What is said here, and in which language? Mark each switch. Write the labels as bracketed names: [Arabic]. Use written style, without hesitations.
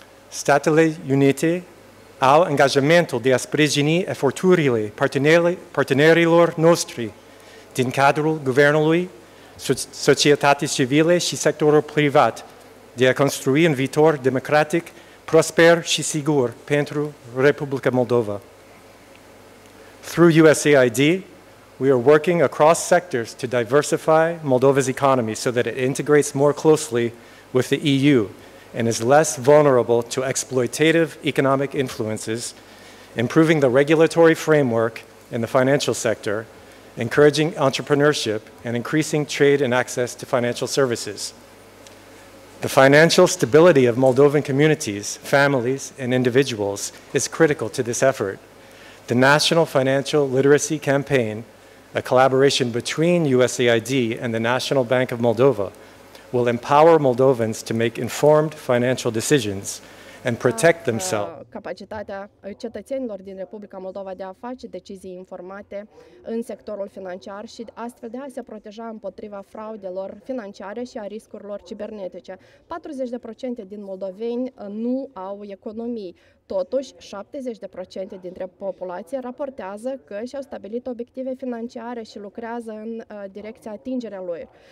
[Romanian] Statele Unite au angajamentul de a sprijini eforturile partenerilor noștri din cadrul guvernului, societate civile și sectorul privat de a construi un viitor democratic, prosper și sigur pentru Republica Moldova. [English] Through USAID, we are working across sectors to diversify Moldova's economy so that it integrates more closely with the EU and is less vulnerable to exploitative economic influences, improving the regulatory framework in the financial sector, encouraging entrepreneurship, and increasing trade and access to financial services. The financial stability of Moldovan communities, families, and individuals is critical to this effort. The National Financial Literacy Campaign, a collaboration between USAID and the National Bank of Moldova, will empower Moldovans to make informed financial decisions and protect themselves. [Romanian] Capacitatea cetățenilor din Republica Moldova de a face decizii informate în sectorul financiar și astfel de a se proteja împotriva fraudelor financiare și a riscurilor cibernetice. 40% din moldoveni nu au economii. Totuși, 70% dintre populație raportează că și-au stabilit obiective financiare și lucrează în direcția atingerea lui.